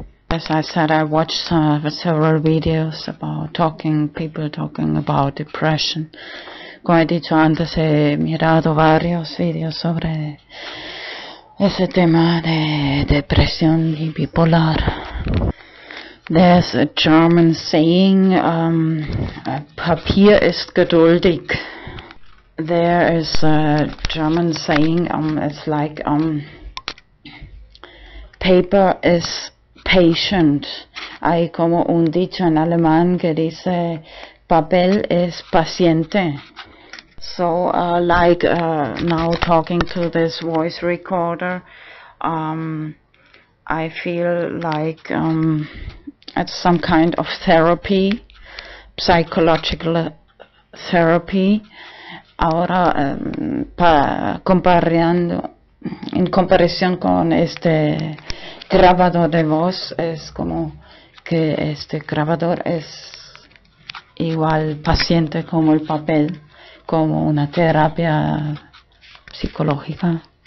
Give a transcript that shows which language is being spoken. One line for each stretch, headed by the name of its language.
English: As I said, I watched several videos about people talking about depression.
Spanish: Como he dicho antes, he mirado varios videos sobre ese tema de depresión y bipolar.
English: There's a German saying,
German: Papier ist geduldig.
English: There is a German saying, it's like, paper is patient.
Spanish: Hay como un dicho en alemán que dice, papel es paciente.
English: So, now talking to this voice recorder, I feel like it's some kind of therapy, psychological therapy.
Spanish: Ahora, comparando, en comparación con este grabador de voz, es como que este grabador es igual paciente como el papel, como una terapia psicológica.